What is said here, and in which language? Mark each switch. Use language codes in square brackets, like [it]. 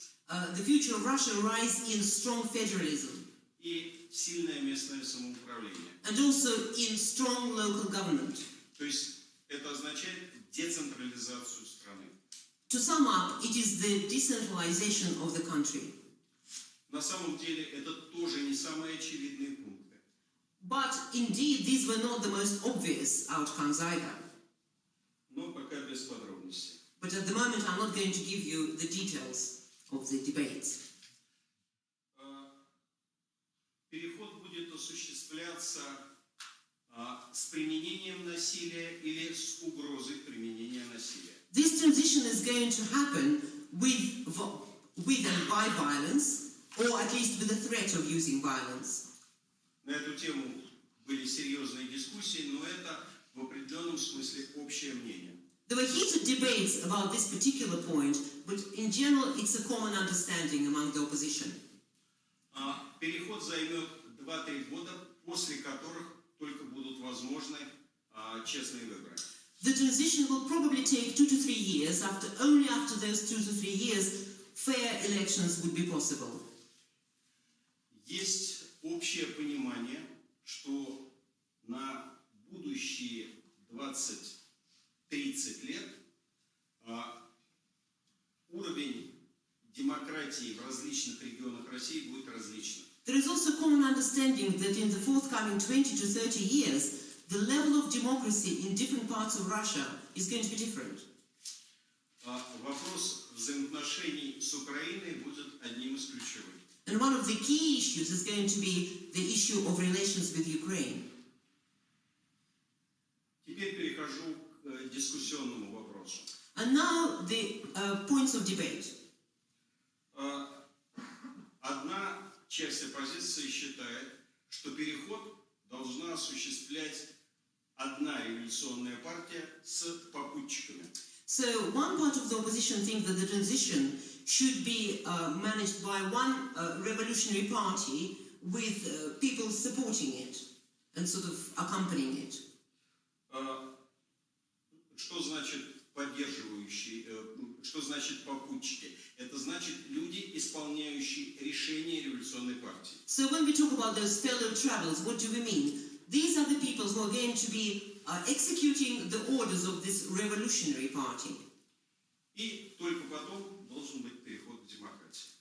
[en] The future of Russia lies in strong federalism. [ru] И сильное местное самоуправление. [en] And also in strong local government. [ru] То есть это означает децентрализацию страны. [en] To sum up, it is the decentralization of the country. [ru] На самом деле это тоже не самые очевидные пункты. [en] But indeed these were not the most obvious outcomes either. [ru] Но пока без подробностей. [en] But at the moment, I'm not going to give you the details of the debates. [ru] Переход будет осуществляться с применением насилия или с угрозой применения насилия. [en] This transition is going to happen with and by violence, or at least with the threat of using violence. [ru] На эту тему были серьезные дискуссии, но это в определенном смысле общее мнение. [en] There were heated debates about this particular point, but in general it's a common understanding among the opposition. [ru] Переход займет 2-3 года, после которых только будут возможны честные выборы. [en] The transition will probably take 2-3 years, after only after those 2-3 years fair elections would be possible. [ru] Есть общее понимание, что на будущие 20-30 лет уровень демократии в различных регионах России будет различным. [en] There is also common understanding that in the forthcoming 20-30 years, the level of democracy in different parts of Russia is going to be different. [ru] Вопрос взаимоотношений с Украиной будет одним из ключевых. [en] And one of the key issues is going to be the issue of relations with Ukraine. [ru] Теперь перехожу к дискуссионному вопросу. [en] And now the points of debate. [ru] Одна часть оппозиции считает, что переход должна осуществлять одна революционная партия с попутчиками. [en] So one part of the opposition thinks that the transition should be managed by one revolutionary party with people supporting it and sort of accompanying it. [ru] Что значит поддерживающие, что значит попутчики? Это значит люди, исполняющие решения революционной партии. [en] So when we talk about those fellow travelers, what do we mean? These are the people who are going to be executing the orders of this revolutionary party. [ru] И только потом должен быть переход к демократии.